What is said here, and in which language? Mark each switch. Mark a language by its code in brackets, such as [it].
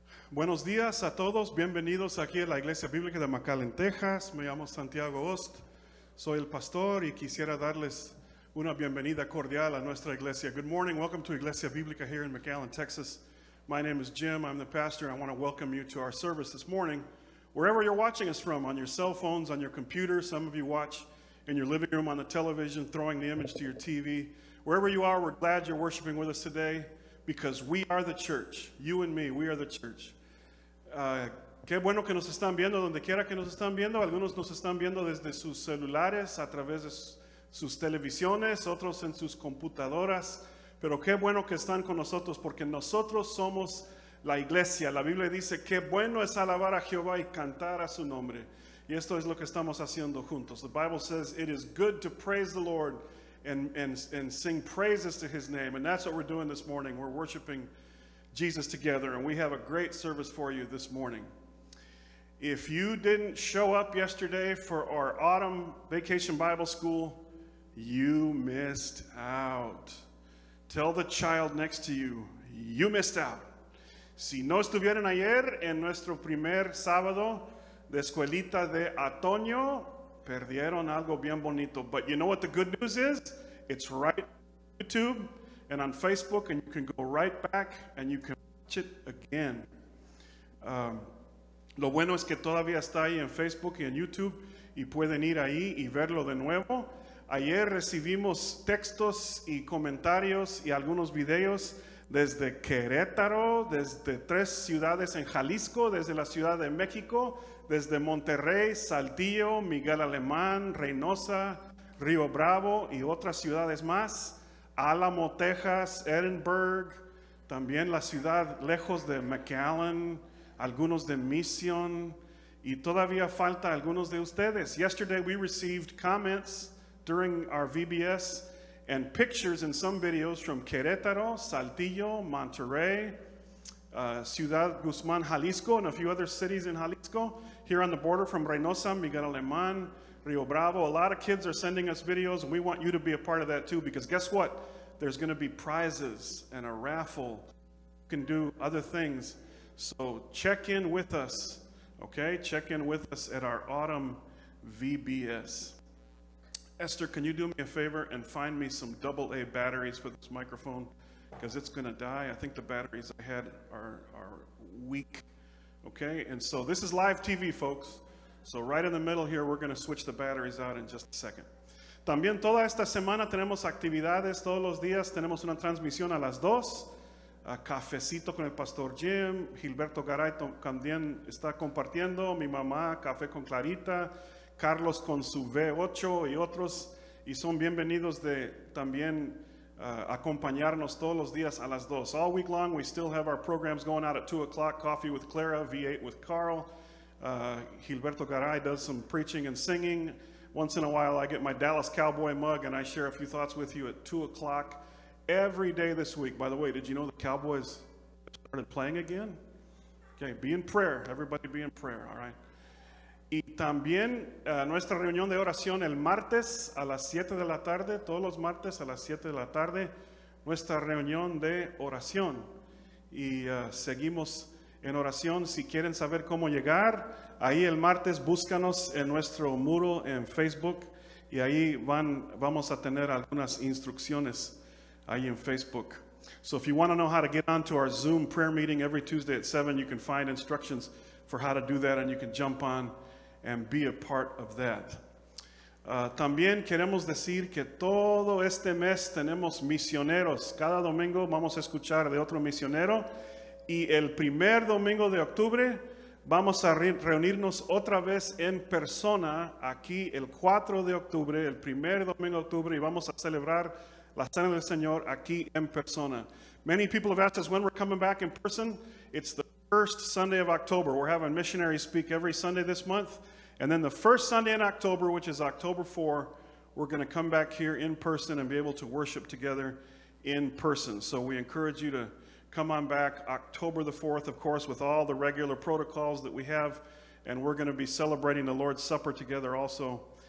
[es] Buenos días a todos, bienvenidos aquí a la Iglesia Bíblica de McAllen, Texas. Me llamo Santiago Ost, soy el pastor y quisiera darles una bienvenida cordial a nuestra iglesia. [en] Good morning, welcome to Iglesia Bíblica here in McAllen, Texas. My name is Jim, I'm the pastor, and I want to welcome you to our service this morning. Wherever you're watching us from, on your cell phones, on your computer, some of you watch in your living room on the television, throwing the image to your TV. Wherever you are, we're glad you're worshiping with us today. Because we are the church, you and me, we are the church. [es] Qué bueno que nos están viendo, donde quiera que nos están viendo. Algunos nos están viendo desde sus celulares, a través de sus televisiones, otros en sus computadoras. Pero qué bueno que están con nosotros, porque nosotros somos la iglesia. La Biblia dice, qué bueno es alabar a Jehová y cantar a su nombre. Y esto es lo que estamos haciendo juntos. [en] The Bible says, it is good to praise the Lord. And sing praises to his name. And that's what we're doing this morning. We're worshiping Jesus together. And we have a great service for you this morning. If you didn't show up yesterday for our autumn vacation Bible school, you missed out. Tell the child next to you, you missed out. [es] Si no estuvieron ayer en nuestro primer sábado de escuelita de otoño, perdieron algo bien bonito. [en] But you know what the good news is? It's right on YouTube and on Facebook, and you can go right back and you can watch it again. [es] Lo bueno es que todavía está ahí en Facebook y en YouTube, y pueden ir ahí y verlo de nuevo. Ayer recibimos textos y comentarios y algunos videos desde Querétaro, desde tres ciudades en Jalisco, desde la Ciudad de México, desde Monterrey, Saltillo, Miguel Alemán, Reynosa, Río Bravo y otras ciudades más, Alamo, Texas, Edinburgh, también la ciudad lejos de McAllen, algunos de Mission, y todavía falta algunos de ustedes. [en] Yesterday we received comments during our VBS and pictures in some videos from Querétaro, Saltillo, Monterrey, Ciudad Guzmán, Jalisco, and a few other cities in Jalisco, here on the border from Reynosa, Miguel Alemán, Rio Bravo. A lot of kids are sending us videos, and we want you to be a part of that too, because guess what? There's going to be prizes and a raffle. You can do other things. So check in with us, okay? Check in with us at our autumn VBS. Esther, can you do me a favor and find me some AA batteries for this microphone? Because it's going to die. I think the batteries I had are weak, okay? And so this is live TV, folks. So right in the middle here, we're going to switch the batteries out in just a second. [es] También toda esta semana tenemos actividades todos los días. Tenemos una transmisión a las 2. A cafecito con el Pastor Jim. Gilberto Garay también está compartiendo. Mi mamá, café con Clarita. Carlos con su V8 y otros. Y son bienvenidos de también acompañarnos todos los días a las 2. [en] All week long, we still have our programs going out at 2 o'clock. Coffee with Clara, V8 with Carl. Gilberto Garay does some preaching and singing. Once in a while, I get my Dallas Cowboy mug and I share a few thoughts with you at 2 o'clock every day this week. By the way, did you know the Cowboys started playing again? Okay, be in prayer. Everybody be in prayer, all right? [es] Y también nuestra reunión de oración el martes a las 7 de la tarde, todos los martes a las 7 de la tarde, nuestra reunión de oración. Y seguimos en oración. Si quieren saber cómo llegar, ahí el martes búscanos en nuestro muro en Facebook, y ahí vamos a tener algunas instrucciones ahí en Facebook. [en] So if you want to know how to get on to our Zoom prayer meeting every Tuesday at 7, you can find instructions for how to do that, and you can jump on and be a part of that. [es] También queremos decir que todo este mes tenemos misioneros. Cada domingo vamos a escuchar de otro misionero. Y el primer domingo de octubre vamos a reunirnos otra vez en persona aquí el 4 de octubre, el primer domingo de octubre, y vamos a celebrar la Cena del Señor aquí en persona. [en] Many people have asked us when we're coming back in person. It's the first Sunday of October. We're having missionaries speak every Sunday this month. And then the first Sunday in October, which is October 4, we're going to come back here in person and be able to worship together in person. So we encourage you to come on back October the 4th, of course, with all the regular protocols that we have. And we're going to be celebrating the Lord's Supper together also